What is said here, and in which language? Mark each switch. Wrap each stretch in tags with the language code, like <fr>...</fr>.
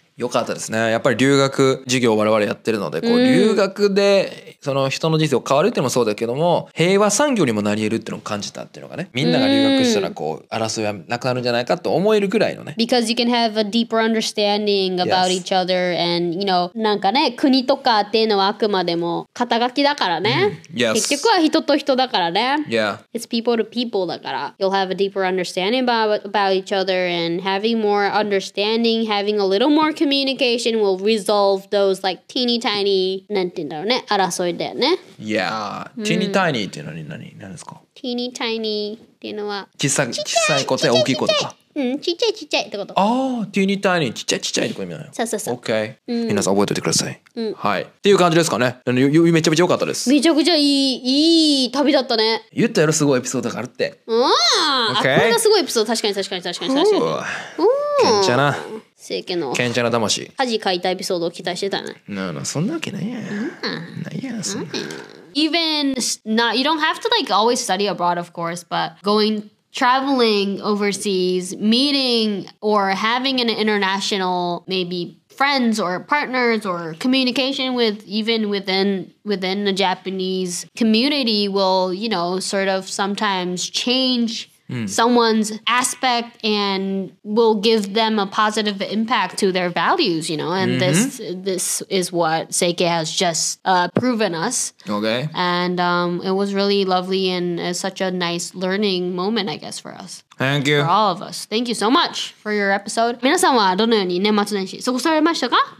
<ja>よかったですね。やっぱり留学授業を我々やってるのでこう留学でその人の人生を変わるっていうのもそうだけども、うん、平和産業にもなり得るっていうのを感じたっていうのがね、みんなが留学したらこう争いはなくなるんじゃないかと思えるぐらいのね。</ja> <en>Because you can have a deeper understanding about、yes. each other and you know</en> <ja>なんかね国とかっていうのはあくまでも肩書きだからね、うん、yes. 結局は人と人だからね、 yeah.</ja> <en>It's people to people</en> <ja>だから</ja> <en>You'll have a deeper understanding about each other and having more understanding, having a little more communication Communication will resolve those like teeny tiny,</en> <ja>なんて言うんだろうね、争いだよね。</ja> <en>Yeah,</en> <ja>teeny tiny っていうのは何ですか？ Teeny tiny っていうのは小さいことや大きいことか。うん、ちっちゃいちっちゃいってこと。ああ、teeny tiny、ちっちゃいちっちゃいってこと意味だよ。そうそうそう。 Okay、皆さん覚えておいてください。うん、はい。っていう感じですかね。めちゃめちゃ良かったです。めちゃくちゃいい旅だったね。言ったやろ、すごいエピソードがあるって。ああ、これがすごいエピソード、確かに。けんちゃな。聖家の賢者の魂恥かいたエピソードを期待してたね。なあ、そんなわけないや、ないや、そんな。</ja> <en>Even not, you don't have to like always study abroad of course, but going traveling overseas, meeting or having an international maybe friends or partners or communication with even within the Japanese community will, you know, sort of sometimes changesomeone's aspect and will give them a positive impact to their values, you know, and、mm-hmm. this is what Seike has just、proven us. Okay. And、it was really lovely and such a nice learning moment, I guess, for us. Thank you. For all of us. Thank you so much for your episode.</en> <ja>皆さんはどのように年末年始過ごされましたか？</ja>